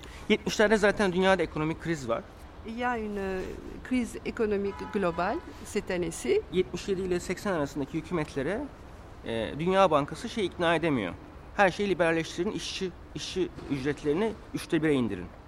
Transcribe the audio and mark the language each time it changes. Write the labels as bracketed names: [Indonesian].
[Turkish] 70'lerde zaten dünyada ekonomik kriz var. [French] Il y a une crise économique globale cette année-ci. [Turkish] 77 ile 80 arasındaki hükümetlere Dünya Bankası ikna edemiyor. Her şeyi liberalleştirin, işçi ücretlerini 3'te 1'e indirin.